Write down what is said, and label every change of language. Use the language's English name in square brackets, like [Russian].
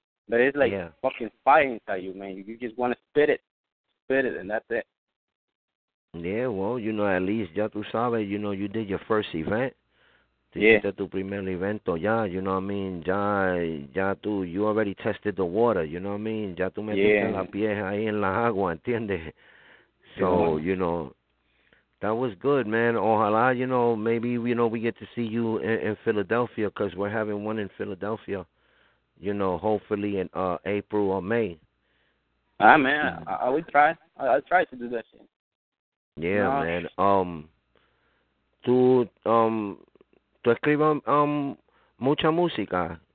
[English] But it's like fucking fire inside you, man. You just want to spit it, and that's it. Yeah, well, you know, at least [Spanish] ya tú sabes, [English] you know, you did your first event. Yeah. [Spanish] Tu primer evento ya, [English] you know what I mean? [Spanish] Ya tú, [English] you already tested the water, you know what I mean? [Spanish] Ya tú metiste la pie ahí en la agua, ¿entiendes? [English] So, you know, that was good, man. [Spanish] Ojalá, [English] you know, maybe, you know, we get to see you in Philadelphia because we're having one in Philadelphia, you know, hopefully in April or May. Ah, man, I'll try to do that shit. Yeah, no, man. [Spanish] Tú escribes mucha música.